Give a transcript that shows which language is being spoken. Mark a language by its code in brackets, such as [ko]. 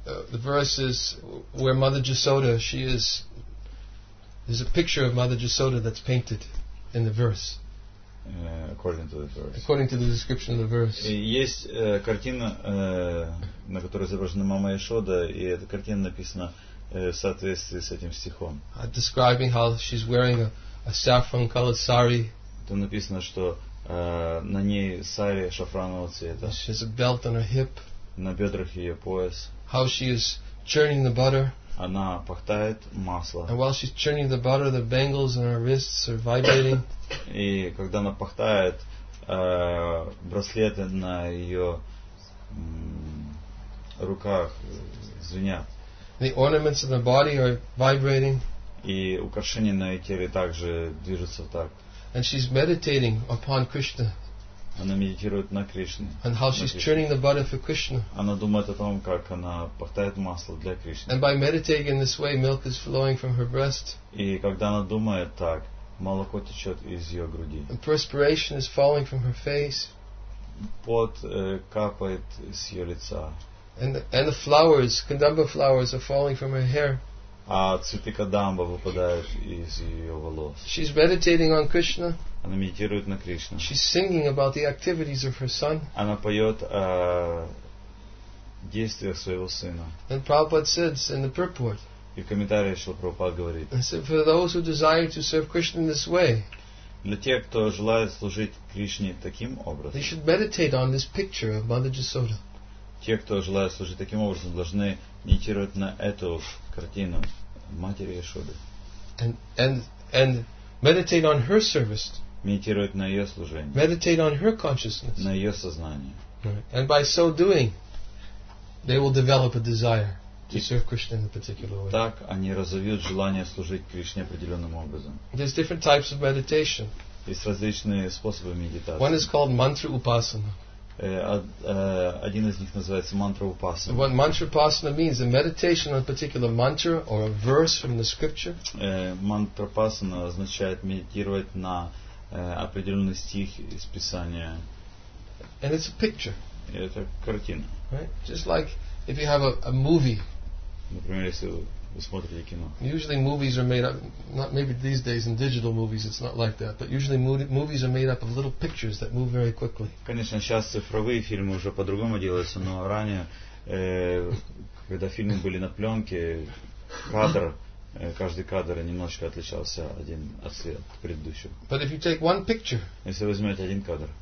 [en] the verse is where Mother Jasoda, she is, there's a picture of Mother Jasoda that's painted in the verse. According to the verse. According to the description of the verse. [ru] Есть картина, на которой изображена Мама Ясода, и эта картина написана в соответствии с этим стихом. [en] Describing how she's wearing a saffron colored sari. [ru] Там написано, что на ней сари шафранового цвета. [en] She has a belt on her hip. [ru] На бедрах ее пояс. [en] How she is churning the butter. [ru] Она пахтает масло. [en] And while she's churning the butter, the bangles on her wrists are vibrating. [ru] И когда она пахтает, браслеты на ее руках звенят. [en] The ornaments of the body are vibrating. [ru] И украшения на ее теле также движутся так. [en] And she's meditating upon Krishna. [ru] Она медитирует на Кришне. [en] And how she's churning the butter for Krishna. [ru] Она думает о том, как она пахтает масло для Кришны. [en] And by meditating in this way, milk is flowing from her breast. [ru] И когда она думает так, молоко течет из ее груди. [en] And perspiration is falling from her face. [ru] Пот капает с ее лица. [en] And the flowers, kadamba flowers, are falling from her hair. [ru] А цветы кадамба выпадают из ее волос. [en] She's meditating on Krishna. [ru] Она медитирует на Кришну. [en] She's singing about the activities of her son. [ru] Она поет о действиях своего сына. [en] And Prabhupada says in the purport. [ru] И в комментарии Шрила Прабхупада говорит. [en] He said, for those who desire to serve Krishna in this way. [ru] Для тех, кто желает служить Кришне таким образом. [en] They should meditate on this picture of Mother Jasoda. [ru] Те, кто желает служить таким образом, должны медитировать на эту картину Матери Яшоды. [en] And meditate on her service. [ru] Медитировать на ее служение. [en] Meditate on her consciousness. [ru] На ее сознание. [en] Right. And by so doing, they will develop a desire to serve Krishna in a particular way. [ru] Так они развивают желание служить Кришне определенным образом. [en] There's different types of meditation. [ru] Есть различные способы медитации. [en] One is called mantra upasana. [ru] Один из них называется мантра упасана. [en] What mantra upasana means? A meditation on a particular mantra or a verse from the scripture. [ru] Мантра упасана означает медитировать на определенный стих из Писания. [en] And it's a picture. [ru] Это картина. [en] Right? Just like If you have a movie, [ru] например, если вы смотрите кино. [en] Usually movies are made up, not maybe these days in digital movies, it's not like that, but usually movies are made up of little pictures that move very quickly. [ru] Конечно, сейчас цифровые фильмы уже по-другому делаются, но ранее, когда фильмы были на пленке, кадр, каждый кадр немножко отличался один от предыдущего. [en] But if you take one picture, [ru] если вы возьмете один кадр